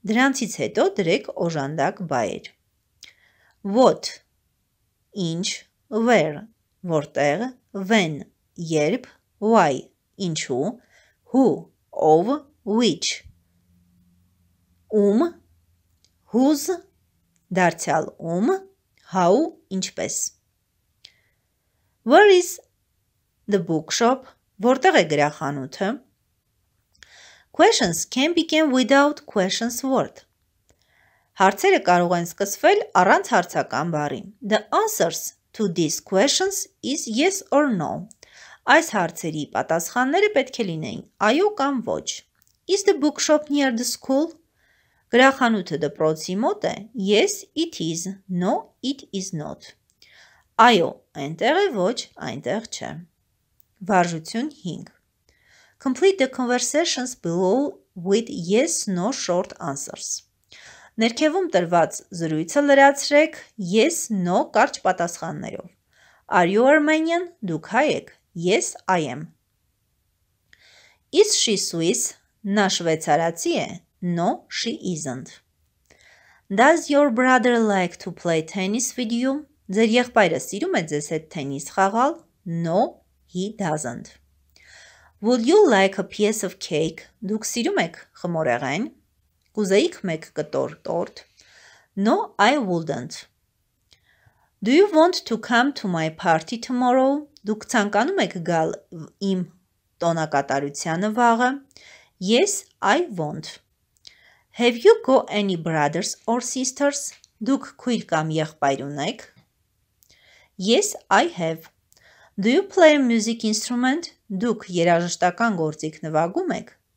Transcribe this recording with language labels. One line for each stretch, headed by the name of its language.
Armenian: Դրանցից հետո դրեք օժանդակ բայեր. What, ինչ, where, որտեղ, when, երբ, why, ինչու, who, of, which, whose, դարձյալ how, ինչպես.
English: Where is the bookshop?
Armenian: Որտեղ է գրախանութը?
English: Questions can begin without questions word.
Armenian: Հարցերը կարող են սկսվել առանց հարցական բառի.
English: The answers to these questions is yes or no.
Armenian: Այս հարցերի պատասխանները պետք է լինեին այո կամ ոչ.
English: Is the bookshop near the school?
Armenian: Գրախանութը դպրոցի մոտ է?
English: Yes, it is. No, it is not.
Armenian: Այո, այնտեղ է, ոչ, այնտեղ չէ. Վարժություն 5.
English: Complete the conversations below with yes, no, short answers.
Armenian: Ներքևում տրված զրույցը լրացրեք yes, no, կարճ պատասխաններով.
English: Are you Armenian?
Armenian: Դուք հայ եք.
English: Yes, I am. Is she Swiss?
Armenian: Նա շվեցարացի է.
English: No, she isn't. Does your brother like to play tennis with you?
Armenian: Ձեր եղբայրը սիրում է ձեզ հետ տենիս խաղալ?
English: No, he doesn't. Would you like a piece of cake?
Armenian: Դուք սիրում եք խմորեղեն? Կուզեիք մեկ կտոր տորտ?
English: No, I wouldn't. Do you want to come to my party tomorrow?
Armenian: Դուք ցանկանում եք գալ իմ տոնակատարությանը վաղը?
English: Yes, I won't. Have you got any brothers or sisters?
Armenian: Դուք քույր կամ եղբայր ունեք?
English: Yes, I have. Do you play a music instrument?
Armenian: Դուք երաժշտական գործիք նվագում եք?